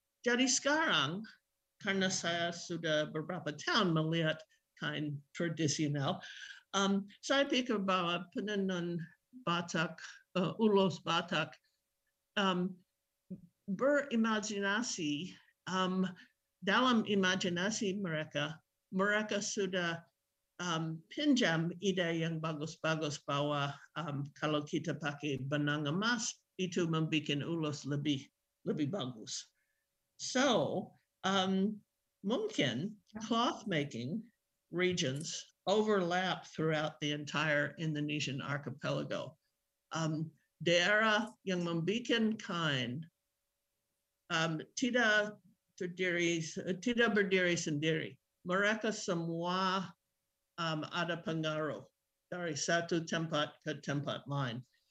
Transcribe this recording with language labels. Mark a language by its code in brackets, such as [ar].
[id] Jadi sekarang, karena saya sudah beberapa tahun melihat kain tradisional, saya pikir bahwa penenun Batak, ulos Batak, berimajinasi, dalam imajinasi mereka, mereka sudah pinjam ide yang bagus-bagus bahwa kalau kita pakai benang emas, itu membuat ulos lebih bagus. [en] So, mungkin cloth making regions overlap throughout the entire Indonesian archipelago. [id] Daerah yang membuat kain tidak berdiri sendiri. Mereka semua ada pengaruh dari satu tempat ke tempat lain.